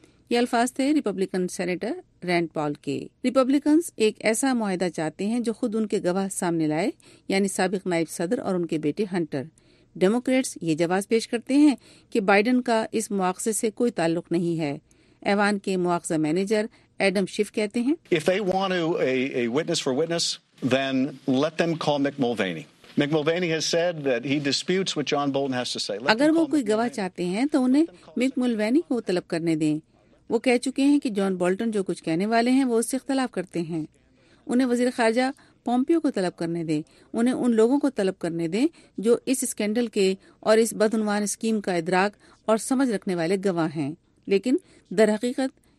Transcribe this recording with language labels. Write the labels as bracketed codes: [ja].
[ur] یہ الفاظ تھے ریپبلکن سینیٹر رینڈ پال کے۔ ریپبلکنز ایک ایسا معاہدہ چاہتے ہیں جو خود ان کے گواہ سامنے لائے، یعنی سابق نائب صدر اور ان کے بیٹے ہنٹر۔ ڈیموکریٹس یہ جواز پیش کرتے ہیں کہ بائیڈن کا اس مواخذے سے کوئی تعلق نہیں ہے۔ ایوان کے مواخذہ مینیجر ایڈم شیف کہتے ہیں، [en] If they want a witness for witness, then let them call Mick Mulvaney. Mick Mulvaney has said that he disputes what John Bolton has to say. [ur] اگر وہ کوئی گواہ چاہتے ہیں تو انہیں مک مولوینی کو طلب کرنے دیں۔ وہ کہہ چکے ہیں کہ جان بولٹن جو کچھ کہنے والے ہیں وہ اس سے اختلاف کرتے ہیں۔ انہیں وزیر خارجہ پومپیو کو طلب کرنے دیں، انہیں ان لوگوں کو طلب کرنے دیں جو اس اسکینڈل کے اور اس بدعنوان اسکیم کا ادراک اور سمجھ رکھنے والے گواہ ہیں، لیکن در حقیقت